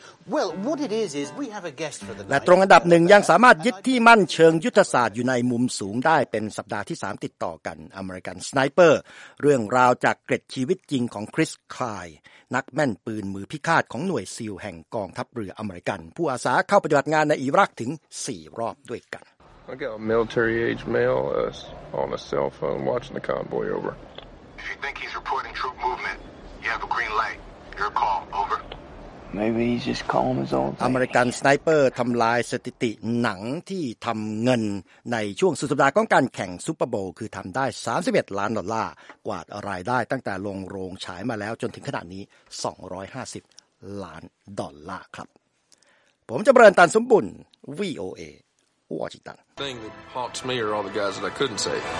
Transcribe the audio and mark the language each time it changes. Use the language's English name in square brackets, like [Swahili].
[Thai] Well, what it is we have a guest for the night. และตรงอันดับ1ยังสามารถยึดที่มั่นเชิงยุทธศาสตร์อยู่ในมุมสูงได้เป็นสัปดาห์ที่3ติดต่อกัน American Sniper เรื่องราวจากเกร็ดชีวิตจริงของคริสคลายนักแม่นปืนมือพิฆาตของหน่วยซีลแห่งกองทัพเรืออเมริกันผู้อาสาเข้าปฏิบัติงานในอิรักถึง4รอบด้วยกัน I got a military age male on a cell phone watching the convoy over. [English] If you think he's reporting troop movement,You have a green light. Your call. Over. Maybe he's just calling his own. [Thai] American Sniper ทำลายสถิติหนังที่ทำเงินในช่วงสุดสัปดาห์ของการแข่งซูเปอร์โบว์คือทำได้31ล้านดอลลาร์กวาดรายได้ตั้งแต่ลงโรงฉายมาแล้วจนถึงขนาดนี้250ล้านดอลลาร์ครับผมจะเบิร์นตันสมบุญ VOA วอชิงตัน Thing that haunts me are all the guys that I couldn't say.